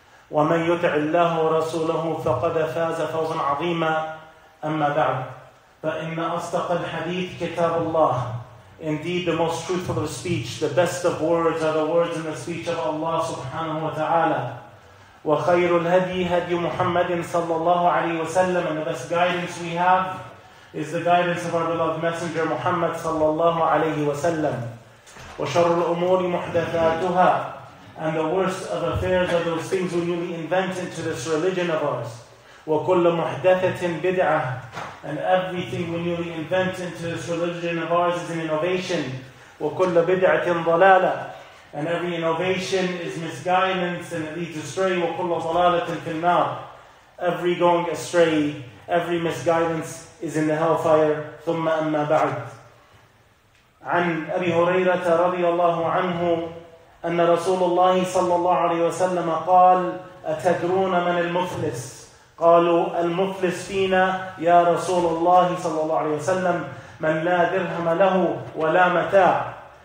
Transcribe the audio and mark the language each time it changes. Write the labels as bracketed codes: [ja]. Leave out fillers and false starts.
[ar] ومن يطع الله ورسوله فقد فاز فوزا عظيما أما بعد فإن أصدق الحديث كتاب الله [en] Indeed, the most truthful of speech, the best of words are the words in the speech of Allah subhanahu wa ta'ala. [ar] وَخَيْرُ الْهَدْيِ هَدْيُ مُحَمَّدٍ صَلَّى اللَّهُ عَلَيْهِ وَسَلَّمَ [en] And the best guidance we have is the guidance of our beloved messenger Muhammad sallallahu alayhi wa sallam. [ar] وَشَرُّ الْأُمُورِ مُحْدَثَاتُهَا [en] And the worst of affairs are those things we newly invent into this religion of ours. [ar] وَكُلَّ مُحْدَثَةٍ بِدْعَةٍ [en] And everything we newly invent into this religion of ours is an innovation. [ar] وَكُلَّ بِدْعَةٍ ضَلَالَةٍ [en] And every innovation is misguidance and it leads astray. [ar] وَكُلَّ ضَلَالَةٍ فِي النَّارِ [en] Every going astray, every misguidance is in the hellfire. [ar] ثُمَّ أَمَّا بَعْدٍ عَنْ أَبِي هُرَيْرَةَ رَضِيَ اللَّهُ عَنْهُ أَنَّ رَسُولُ اللَّهِ صَلَّى اللَّهُ عَلَيْهِ وَسَلَّمَ قَالَ أَتَدْرُونَ مَنَ الْمُفْلِسِ قالوا المفلس فينا يا رسول الله صلى الله عليه وسلم من لا درهم له ولا متاع